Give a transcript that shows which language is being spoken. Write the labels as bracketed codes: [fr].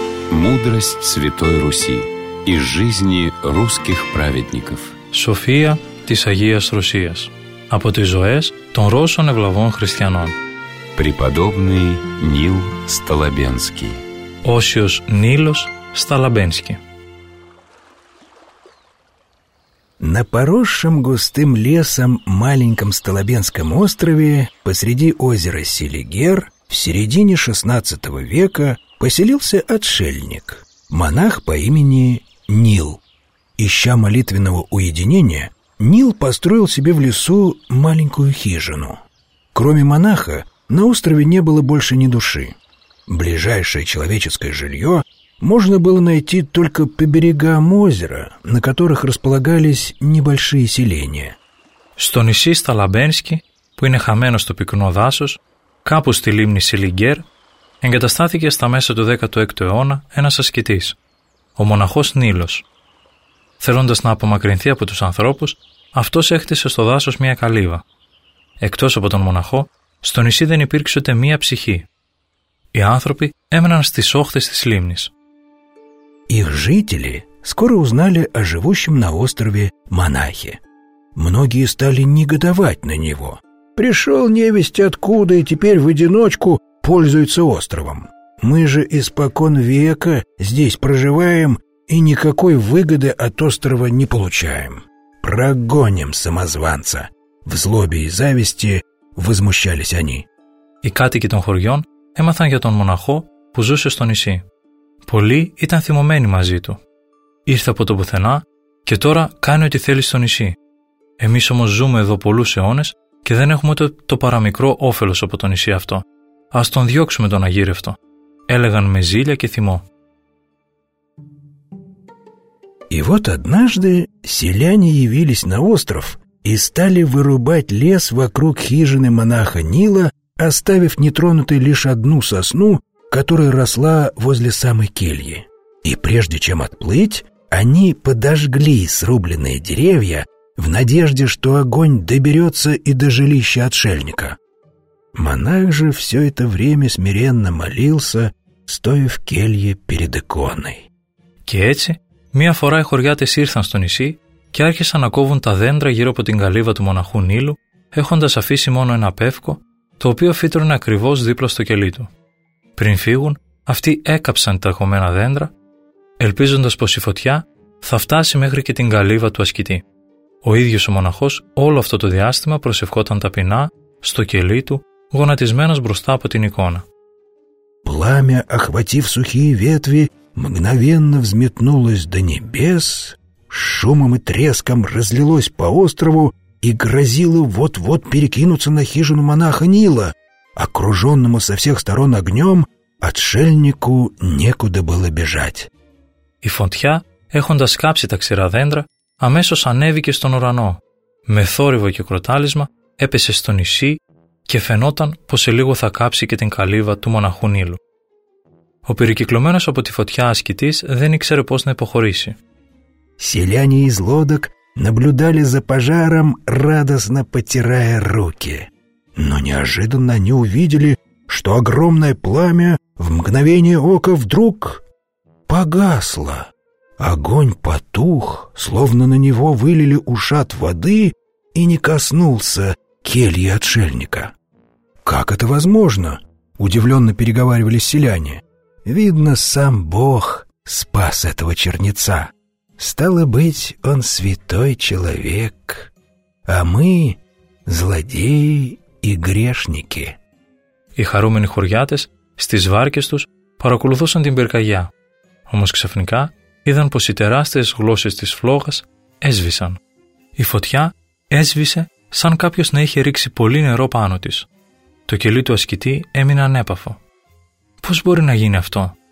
[ru] Мудрость Святой Руси из жизни русских праведников. [el] Σοφία της Αγίας Ρωσίας από τις ζωές των Ρώσων ευλαβών χριστιανών. [ru] Преподобный Нил Сталабенский. [el] Όσιος Νίλος Сталабенский. [ru] На поросшем густым лесом маленьком Сталабенском острове посреди озера Селигер в середине XVI века поселился отшельник, монах по имени Нил. Ища молитвенного уединения, Нил построил себе в лесу маленькую хижину. Кроме монаха, на острове не было больше ни души. Ближайшее человеческое жилье можно было найти только по берегам озера, на которых располагались небольшие селения. [el] Στο νησί Сталабенский, που είναι χαμένο στο πυκνό δάσος, κάπου στη λίμνη Σιλιγκέρ, εγκαταστάθηκε στα μέσα του 16ου αιώνα ένας ασκητής, ο μοναχός Νίλος. Θέλοντας να απομακρυνθεί από τους ανθρώπους, αυτός έχτισε στο δάσος μια καλύβα. Εκτός από τον μοναχό, στο νησί δεν υπήρξε ούτε μία ψυχή. Οι άνθρωποι έμεναν στις όχθες της λίμνης. [ru] Их жители скоро узнали о живущем на острове монахе. Многие стали негодовать на него. Пришел невесть откуда и теперь в одиночку пользуется островом. Мы же испокон века здесь проживаем и никакой выгоды от острова не получаем. прогоним самозванца!» В злобе и зависти возмущались они. [el] Οι κάτοικοι των χωριών έμαθαν για τον μοναχό που ζούσε στο νησί. Πολλοί ήταν θυμωμένοι μαζί του. Ήρθε από το πουθενά και τώρα κάνει ό,τι θέλει στο νησί. Εμείς όμως ζούμε εδώ πολλούς αιώνες και δεν έχουμε ούτε το παραμικρό όφελος από το νησί αυτό. Ας τον διώξουμε τον αγύρευτο, έλεγαν με ζήλια και θυμό. [ru] И вот однажды селяне явились на остров и стали вырубать лес вокруг хижины монаха Нила, оставив нетронутой лишь одну сосну, которая росла возле самой кельи. И прежде чем отплыть, они подожгли срубленные деревья в надежде, что огонь доберется и до жилища отшельника. Монах же все это время смиренно молился, стоя в келье перед иконой. Кетти? [el] Μία φορά οι χωριάτες ήρθαν στο νησί και άρχισαν να κόβουν τα δέντρα γύρω από την καλύβα του μοναχού Νείλου, έχοντας αφήσει μόνο ένα πεύκο, το οποίο φύτρωνε ακριβώς δίπλα στο κελί του. Πριν φύγουν, αυτοί έκαψαν τα κομμένα δέντρα, ελπίζοντας πως η φωτιά θα φτάσει μέχρι και την καλύβα του ασκητή. Ο ίδιος ο μοναχός όλο αυτό το διάστημα προσευχόταν ταπεινά στο κελί του, γονατισμένος μπροστά από την εικόνα. [ru] Πλάμια, αχβατив сухие ветви, мгновенно взметнулось до небес, шумом и треском разлилось по острову и грозило вот-вот перекинуться на хижину монаха Нила. Окруженному со всех сторон огнем, отшельнику некуда было бежать. [el] И фонтья, эхондас капси та ксера дендра, амесос анэвике стон урано. Ме θόρυβο και κροτάλισμα έπεσε στο νησί και φαινόταν πως σε λίγο θα κάψει και την καλύβα του μοναχού Νείλου. Ο περικυκλωμένος από τη φωτιά ασκητής δεν ήξερε πώς να υποχωρήσει. [ru] Селяне из лодок наблюдали за пожаром, радостно потирая руки. Но неожиданно они увидели, что огромное пламя в мгновение ока вдруг погасло. Огонь потух, словно на него вылили ушат воды и не коснулся кельи отшельника. «Как это возможно?» – удивленно переговаривались селяне. Видно, сам Бог спас этого чернеца. Стало быть, он святой человек, а мы — злодеи и грешники. [el] Οι χαρούμενοι χωριάτες στις βάρκες τους παρακολουθούσαν την πυρκαγιά. Όμως ξαφνικά είδαν πως οι τεράστιες γλώσσες της φλόγας έσβησαν. Η φωτιά έσβησε σαν κάποιος να είχε ρίξει πολύ νερό πάνω της. Το κελί του ασκητή έμεινε ανέπαφο. «Πώς μπορεί να γίνει αυτό?»